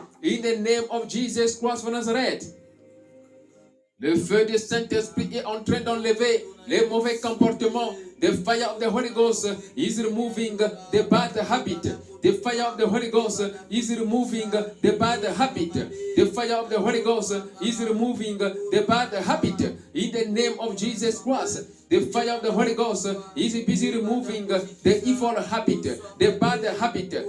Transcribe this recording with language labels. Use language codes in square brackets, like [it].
[en] In the name of Jesus Christ of Nazareth. [fr] Le feu du Saint-Esprit est en train d'enlever les mauvais comportements. [en] The fire of the Holy Ghost is removing the bad habit. The fire of the Holy Ghost is removing the bad habit. The fire of the Holy Ghost is removing the bad habit. In the name of Jesus Christ, the fire of the Holy Ghost is busy removing the evil habit, the bad habit.